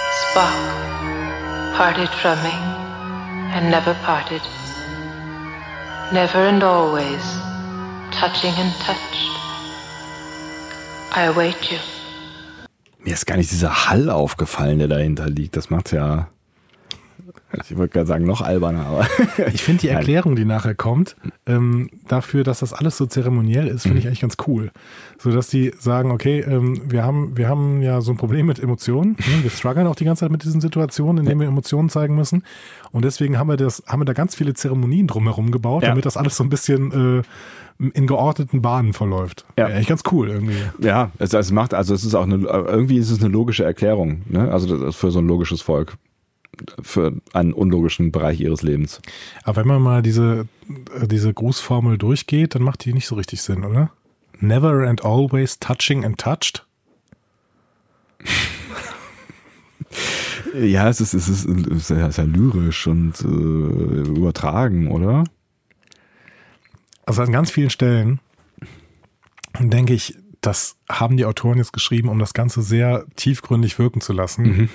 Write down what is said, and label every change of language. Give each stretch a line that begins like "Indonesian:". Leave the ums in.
English: spark parted from me and never parted. Never and always touching and touched. I await you.
German: Mir ist gar nicht dieser Hall aufgefallen, der dahinter liegt. Das macht ja. Ich würde gerade sagen, noch alberner, aber. ich finde die Erklärung, Nein. die nachher kommt, ähm, dafür, dass das alles so zeremoniell ist, finde ich mhm. eigentlich ganz cool. So dass die sagen, okay, ähm, wir, haben, wir haben ja so ein Problem mit Emotionen. Wir strugglen auch die ganze Zeit mit diesen Situationen, in ja. denen wir Emotionen zeigen müssen. Und deswegen haben wir das, haben wir da ganz viele Zeremonien drumherum gebaut, ja. damit das alles so ein bisschen äh, in geordneten Bahnen verläuft. Wär ja, eigentlich ganz cool irgendwie. Ja, es, macht, also es ist auch eine, irgendwie ist es eine logische Erklärung, ne? Also das, das für so ein logisches Volk für einen unlogischen Bereich ihres Lebens. Aber wenn man mal diese, diese Grußformel durchgeht, dann macht die nicht so richtig Sinn, oder?
English: Never and always touching and touched.
German: ja, es ist, es, ist, es, ja lyrisch und äh, übertragen, oder? Also an ganz vielen Stellen denke ich, das haben die Autoren jetzt geschrieben, um das Ganze sehr tiefgründig wirken zu lassen. Mhm.